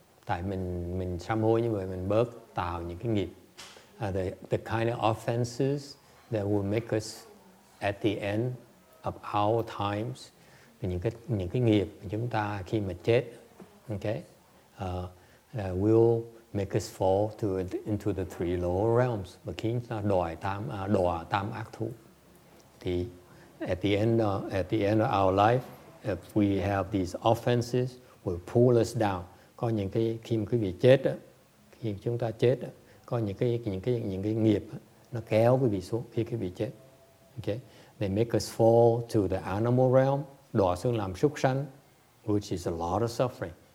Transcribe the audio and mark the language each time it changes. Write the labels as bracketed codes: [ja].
[vi] Tại mình sám hối như vậy mình bớt tạo những cái nghiệp. [en] The kind of offenses that will make us at the end of our times. [vi] Những cái nghiệp mà chúng ta khi mà chết, okay, [en] will make us fall into the three lower realms. [vi] Mà khiến chúng ta đọa tam ác thú. [en] Thì at the end of our life, if we have these offenses, will pull us down. [vi] Có những cái khi mà quý vị chết đó, khi chúng ta chết đó, có những cái nghiệp đó, nó kéo quý vị xuống khi quý vị chết. [en] Okay, they make us fall to the animal realm, [vi] đọa xuống làm súc sanh, [en] which is a lot of suffering.